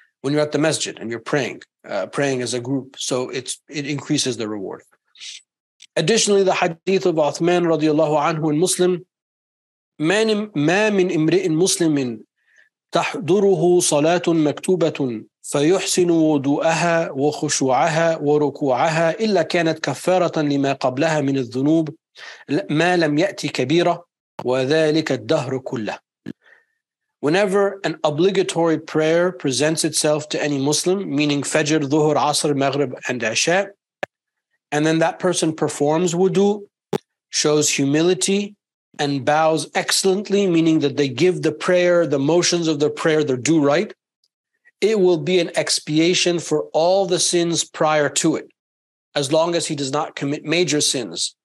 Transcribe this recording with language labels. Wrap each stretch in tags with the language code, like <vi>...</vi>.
<en>When you're at the masjid and you're praying as a group, so it increases the reward. Additionally, the hadith of Uthman radiallahu anhu in Muslim,</en> <ar>ما من امرئ مسلم تحضره صلاة مكتوبة فيحسن وضوءها وخشوعها وركوعها إلا كانت كفارة لما قبلها من الذنوب ما لم يأتي كبيرة وذلك الدهر كله.</ar> <en>Whenever an obligatory prayer presents itself to any Muslim, meaning Fajr, Dhuhr, Asr, Maghrib, and Isha, and then that person performs wudu, shows humility, and bows excellently, meaning that they give the prayer, the motions of the prayer, their due right, it will be an expiation for all the sins prior to it, as long as he does not commit major sins.</en>